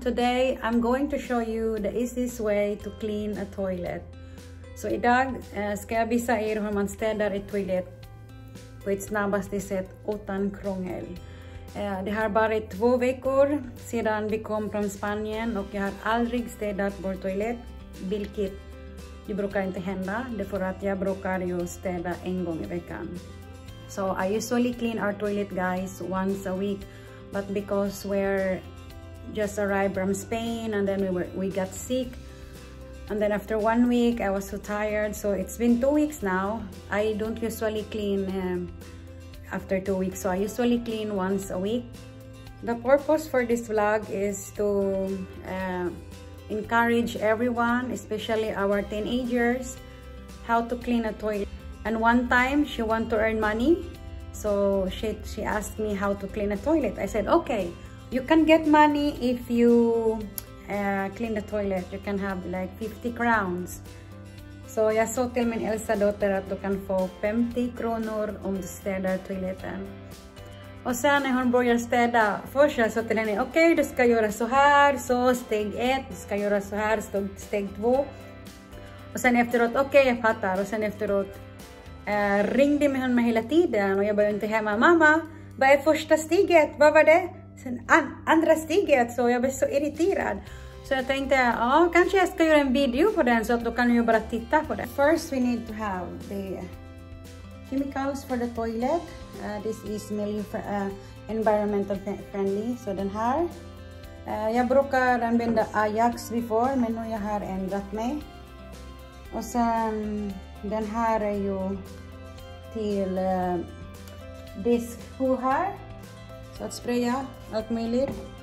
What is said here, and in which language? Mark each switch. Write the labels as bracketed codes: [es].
[en] Today, I'm going to show you the easiest way to clean a toilet. [sv] So, idag ska jag visa er hur man städar ett toilet på ett snabbaste sätt utan krångel. Det har varit 2 veckor sedan vi kom från Spanien och jag har aldrig städat vår toilet, vilket det brukar inte hända, därför att jag brukar ju städa en gång i veckan. [en] So, I usually clean our toilet, guys, once a week. But because we're just arrived from Spain and then we got sick. And then after 1 week, I was so tired. So it's been 2 weeks now. I don't usually clean after 2 weeks. So I usually clean once a week. The purpose for this vlog is to encourage everyone, especially our teenagers, how to clean a toilet. And one time she wanted to earn money. So she asked me how to clean a toilet. I said, okay, you can get money if you clean the toilet. You can have like 50 crowns. [sv] So jag sa till min äldsta dotter att du kan få 50 kronor om du städar toiletten. Och sen när hon började städa, först jag sa till henne, okej, du ska göra så här, så steg 1, du ska göra så här, så steg 2. Och sen efteråt, okej, jag fattar, och sen efteråt, ringde med honom hela tiden och jag bara inte hemma. Mamma, vad är första steget? Vad var det? Sen andra steget, så jag blev så irriterad. Så jag tänkte, ja, kanske jag ska göra en video på den så att då kan du bara titta på den. [en] First we need to have the chemicals for the toilet. This is mainly for, environmental friendly, [sv] så den här. Jag brukar använda Ajax [en] before, [sv] men nu jag har ändrat mig. Och sen den här är ju till diskhuvud här, så att spraya allt möjligt.